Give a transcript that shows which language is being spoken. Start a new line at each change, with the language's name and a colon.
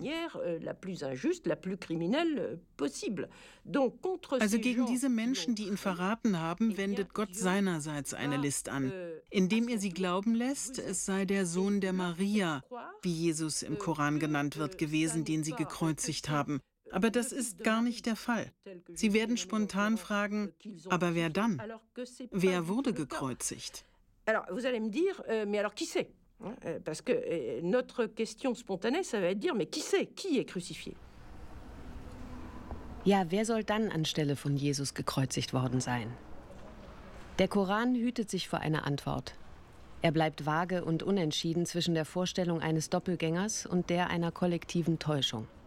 German: Also gegen diese Menschen, die ihn verraten haben, wendet Gott seinerseits eine List an, indem er sie glauben lässt, es sei der Sohn der Maria, wie Jesus im Koran genannt wird, gewesen, den sie gekreuzigt haben. Aber das ist gar nicht der Fall. Sie werden spontan fragen, aber wer dann? Wer wurde gekreuzigt?
French: Alors, vous allez me dire, mais alors qui c'est? Parce que notre question spontanée, ça va être dire, mais qui c'est? Qui est crucifié?
German: Ja, wer soll dann anstelle von Jesus gekreuzigt worden sein? Der Koran hütet sich vor einer Antwort. Er bleibt vage und unentschieden zwischen der Vorstellung eines Doppelgängers und der einer kollektiven Täuschung.